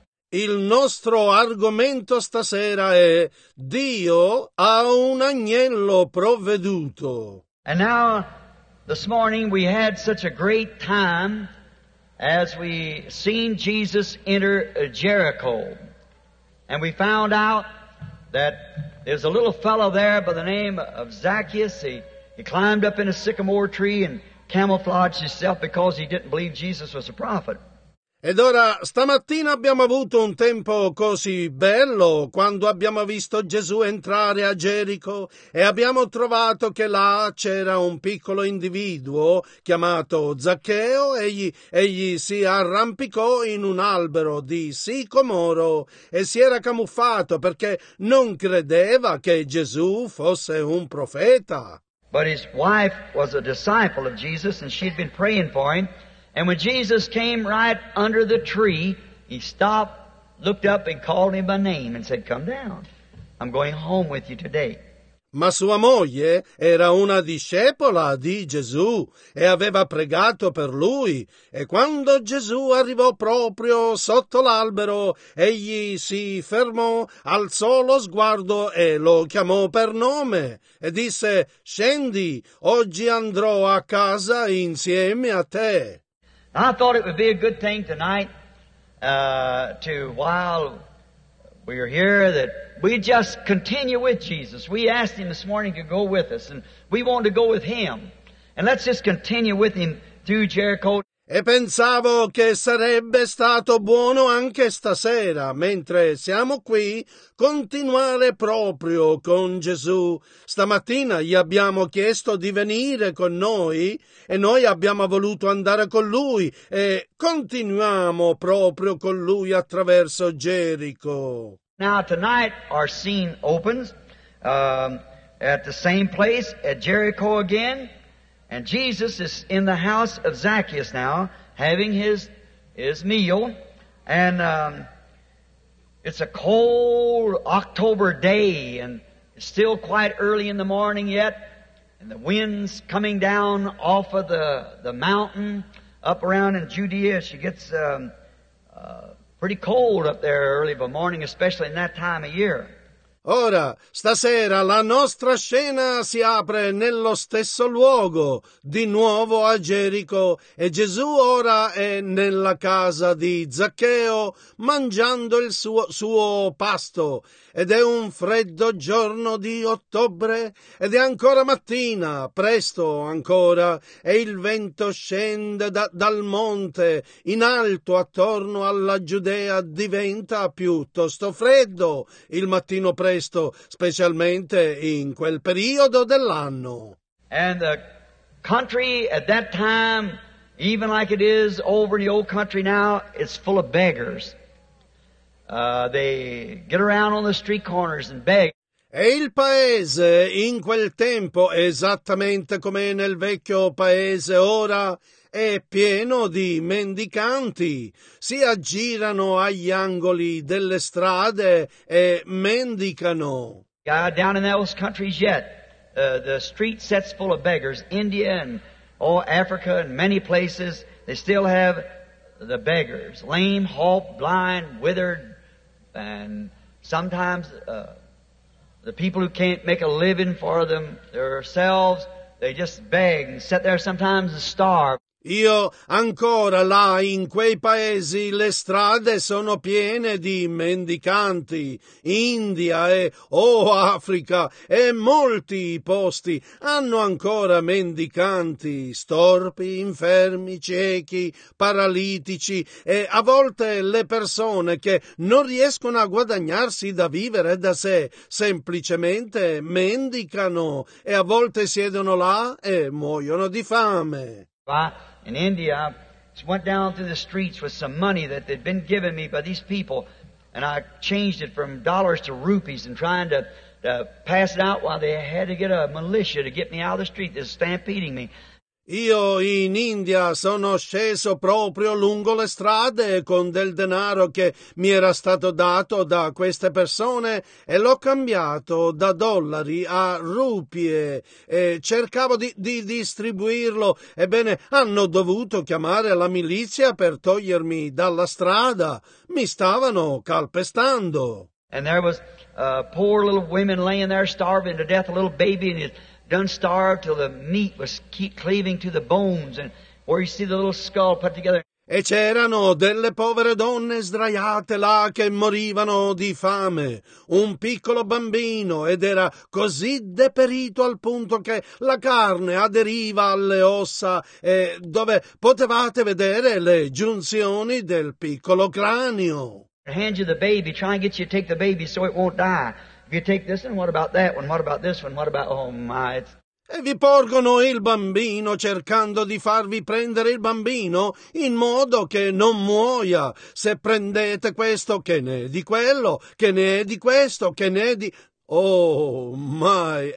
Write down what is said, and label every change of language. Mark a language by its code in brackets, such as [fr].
[it] Il nostro argomento stasera è Dio ha un agnello provveduto. [en] And now this morning we had such a great time as we seen Jesus enter Jericho. And we found out that there's a little fellow there by the name of Zacchaeus. He climbed up in a sycamore tree and camouflaged himself because he didn't believe Jesus was a prophet. [it] Ed ora stamattina abbiamo avuto un tempo così bello quando abbiamo visto Gesù entrare a Gerico e abbiamo trovato che là c'era un piccolo individuo chiamato Zaccheo. Egli si arrampicò in un albero di sicomoro e si era camuffato perché non credeva che Gesù fosse un profeta. [en] But his wife was a disciple of Jesus, and she'd been praying for him. And when Jesus came right under the tree, he stopped, looked up, and called him by name and said, "Come down. I'm going home with you today." [it] Ma sua moglie era una discepola di Gesù e aveva pregato per lui. E quando Gesù arrivò proprio sotto l'albero, egli si fermò, alzò lo sguardo e lo chiamò per nome. E disse, "Scendi, oggi andrò a casa insieme a te." [en] I thought it would be a good thing tonight while we are here that we just continue with Jesus. We asked Him this morning to go with us, and we want to go with Him. And let's just continue with Him through Jericho. [it] E pensavo che sarebbe stato buono anche stasera, mentre siamo qui, continuare proprio con Gesù. Stamattina gli abbiamo chiesto di venire con noi e noi abbiamo voluto andare con Lui e continuiamo proprio con Lui attraverso Gerico. [en] Now tonight our scene opens at the same place at Jericho again. And Jesus is in the house of Zacchaeus now, having his meal. And it's a cold October day, and it's still quite early in the morning yet. And the wind's coming down off of the mountain up around in Judea. She gets pretty cold up there early of a morning, especially in that time of year. [it] Ora, stasera, la nostra scena si apre nello stesso luogo, di nuovo a Gerico, e Gesù ora è nella casa di Zaccheo, mangiando il suo pasto. Ed è un freddo giorno di ottobre, ed è ancora mattina, presto ancora, e il vento scende dal monte, in alto attorno alla Giudea, diventa piuttosto freddo il mattino presto, specialmente in quel periodo dell'anno. [en] And the country at that time, even like it is over in the old country now, it's full of beggars. They get around on the street corners and beg. [it] E il paese in quel tempo, esattamente come nel vecchio paese ora, è pieno di mendicanti. Si aggirano agli angoli delle strade e mendicano. [en] Yeah, down in those countries yet, the street sets full of beggars. India and all Africa and many places, they still have the beggars. Lame, halt, blind, withered. And sometimes the people who can't make a living for themselves, They just beg and sit there sometimes and starve. [it] Io ancora là in quei paesi le strade sono piene di mendicanti. India e Africa e molti posti hanno ancora mendicanti, storpi, infermi, ciechi, paralitici e a volte le persone che non riescono a guadagnarsi da vivere da sé, semplicemente mendicano e a volte siedono là e muoiono di fame. [en] In India, I went down through the streets with some money that they'd been given me by these people, and I changed it from dollars to rupees and trying to pass it out while they had to get a militia to get me out of the street. They're stampeding me. [it] Io in India sono sceso proprio lungo le strade con del denaro che mi era stato dato da queste persone e l'ho cambiato da dollari a rupie e cercavo di distribuirlo. Ebbene, hanno dovuto chiamare la milizia per togliermi dalla strada. Mi stavano calpestando. [en] And there was a poor little woman laying there starving to death, a little baby in his... done starved till the meat was keep cleaving to the bones and where you see the little skull put together. [it] E c'erano delle povere donne sdraiate là che morivano di fame, un piccolo bambino ed era così deperito al punto che la carne aderiva alle ossa e dove potevate vedere le giunzioni del piccolo cranio. [en] Hand you the baby, try and get you to take the baby so it won't die. You take this one, what about that one, what about this one, what about, oh my. [it] E vi porgono il bambino cercando di farvi prendere il bambino in modo che non muoia. Se prendete questo, che ne è di quello, che ne è di questo, che ne è di, [en] oh my.